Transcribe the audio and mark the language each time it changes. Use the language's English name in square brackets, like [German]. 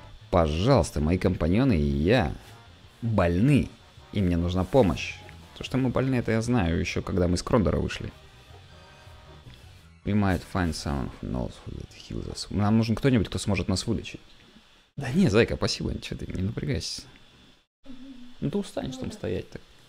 [Russian] Пожалуйста, мои компаньоны и я больны, и мне нужна помощь. То, что мы больны, это я знаю, еще когда мы с Крондора вышли. [English] We might find someone who knows who that heals us. [Russian] Нам нужен кто-нибудь, кто сможет нас вылечить. Да не, зайка, спасибо, ничего, ты не напрягайся. Ну ты устанешь там стоять так.